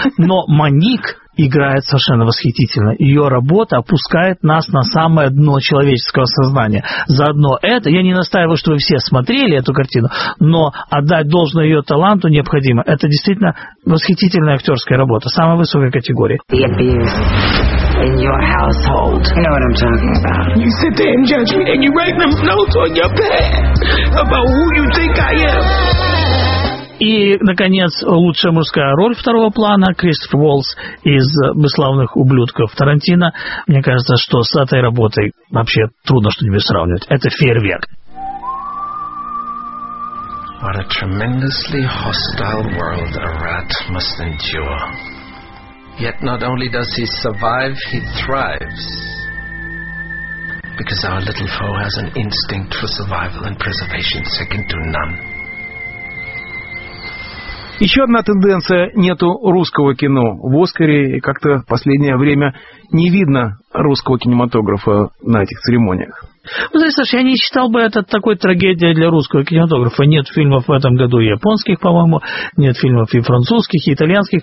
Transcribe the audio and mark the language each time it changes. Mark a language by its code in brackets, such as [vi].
[ru] Но Моник играет совершенно восхитительно. Ее работа опускает нас на самое дно человеческого сознания. Заодно это, я не настаиваю, чтобы вы все смотрели эту картину, но отдать должное ее таланту необходимо. Это действительно восхитительная актерская работа, самой высокой категории. [en] In your household. You know what I'm talking about. You sit there in judgment and you write them notes on your pad about who you think I am. [ru] И, наконец, лучшая мужская роль второго плана, Кристофер Уолтс из «Бесславных ублюдков» Тарантино. Мне кажется, что с этой работой вообще трудно что-нибудь сравнивать. Это фейерверк. [en] What a tremendously hostile world a rat must endure. Yet not only does he survive, he thrives. Because our little foe has an instinct for survival and preservation second to none. [ru] Еще одна тенденция – нету русского кино. В «Оскаре» как-то в последнее время не видно русского кинематографа на этих церемониях. Вы знаете, Саша, я не считал бы это такой трагедией для русского кинематографа. Нет фильмов в этом году японских, по-моему, нет фильмов и французских, и итальянских.